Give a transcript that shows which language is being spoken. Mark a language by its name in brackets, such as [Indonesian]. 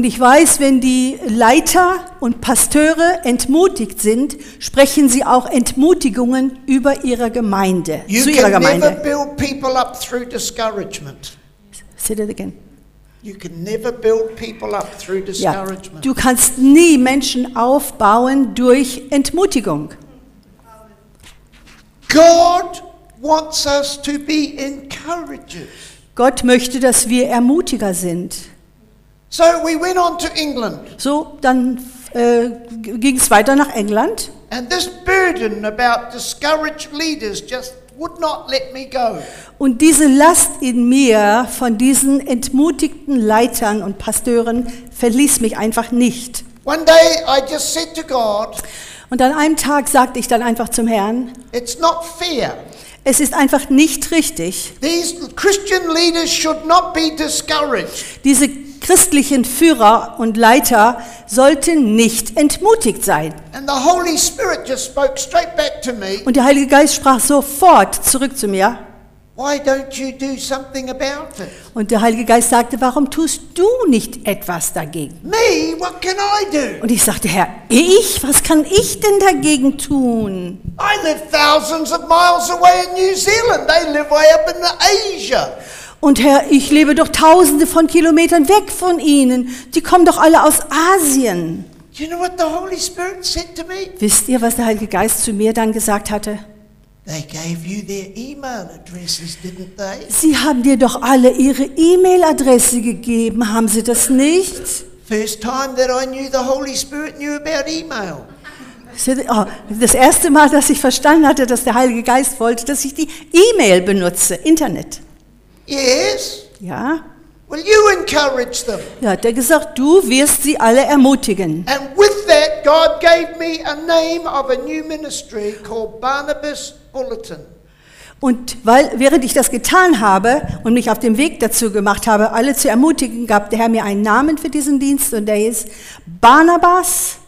[German] Und ich weiß, wenn die Leiter und Pasteure entmutigt sind, sprechen sie auch Entmutigungen über ihre Gemeinde, [English] you [German] zu ihrer [English] can [German] Gemeinde. [English] Never build people up through discouragement. Say that again. You can never build people up through discouragement. [German] Ja, du kannst nie Menschen aufbauen durch Entmutigung. [English] God wants us to be encouragers. [German] Gott möchte, dass wir Ermutiger sind. [English] So we went on to England. [German] So dann ging es weiter nach England. [English] And this burden about discouraged leaders just would not let me go. [German] Und diese Last in mir von diesen entmutigten Leitern und Pasteuren verließ mich einfach nicht. [English] One day I just said to God, [German] und an einem Tag sagte ich dann einfach zum Herrn, [English] it's not fair. [German] Es ist einfach nicht richtig. [English] These Christian leaders should not be discouraged. [German] Diese christlichen Führer und Leiter sollten nicht entmutigt sein. [English] And the Holy Spirit just spoke straight back to me. [German] Und der Heilige Geist sprach sofort zurück zu mir. [English] Why don't you do something about it? [German] Und der Heilige Geist sagte, warum tust du nicht etwas dagegen? [English] Me? What can I do? [German] Und ich sagte, Herr, ich? Was kann ich denn dagegen tun? [English] I live thousands of miles away in New Zealand. They live way up in Asia. [German] Und Herr, ich lebe doch tausende von Kilometern weg von Ihnen. Die kommen doch alle aus Asien. [English] Do you know what the Holy Spirit said to me? [German] Wisst ihr, was der Heilige Geist zu mir dann gesagt hatte? [English] They gave you their email addresses, didn't they? [German] Sie haben dir doch alle ihre E-Mail-Adresse gegeben, haben sie das nicht? [English] First time that I knew the Holy Spirit knew about email. [German] Das erste Mal, dass ich verstanden hatte, dass der Heilige Geist wollte, dass ich die E-Mail benutze, Internet. [English] Yes. [German] Ja. [English] Will you encourage them? [German] Ja, hat er gesagt, du wirst sie alle ermutigen. [English] And with that, God gave me a name of a new ministry called Barnabas Bulletin. [German] Und weil während ich das getan habe und mich auf dem Weg dazu gemacht habe, alle zu ermutigen, gab der Herr mir einen Namen für diesen Dienst und der ist Barnabas